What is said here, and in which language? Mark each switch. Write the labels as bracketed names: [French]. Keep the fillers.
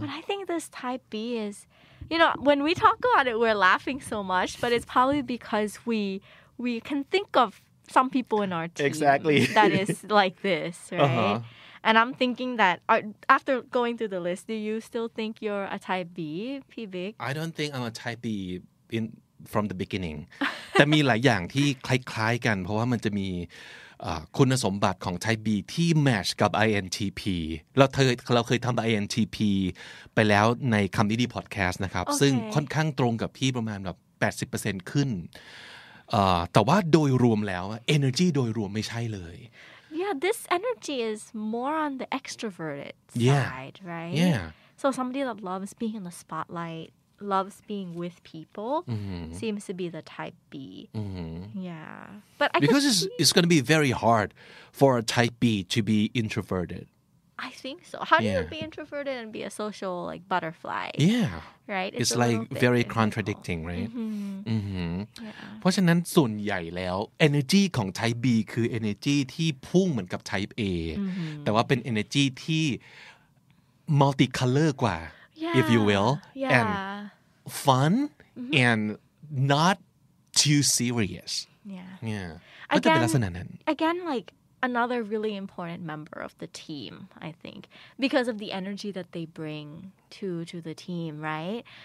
[English] But I think this type B is, you know, when we talk about it, we're laughing so much, but it's probably because we we can think of some people in our team exactly. that is like this, right? Uh-huh. and I'm thinking that are, after going through the list, do you still think you're a type B, P big? I don't think I'm a type B in from the beginning. [Thai] แต่มีหลายอย่างที่คล้ายๆกัน เพราะว่ามันจะมีคุณสมบัติของ type B ที่ match กับ INTP เราเคยเราเคยทำ INTP ไปแล้วในคำนี้ดีพอดแคสต์นะครับ ซึ่งค่อนข้างตรงกับพี่ประมาณแบบ80%ขึ้นแต่ว่าโดยรวมแล้ว energy โดยรวมไม่ใช่เลย [English] yeah, this energy is more on the extroverted side, yeah. right? Yeah. So somebody that loves being in the spotlight, loves being with people, mm-hmm. seems to be the type B. Mm-hmm. Yeah, but I because it's, it's going to be very hard for a type B to be introverted. I think so. How yeah. do you be introverted and be a social like butterfly? Yeah. Right? It's, it's like very individual. contradicting, right? Mm-hmm. mm-hmm. Yeah. [Thai] เพราะฉะนั้นส่วนใหญ่แล้ว energy ของ type B คือ energy ที่พุ่งเหมือนกับ type A [English] mm-hmm. [Thai] แต่ว่าเป็น energy ที่ multicolor กว่า [English] yeah. if you will yeah. and fun and not too serious. Yeah. Yeah. Again, again like another really important member of the team, I think, because of the energy that they bring to to the team, right?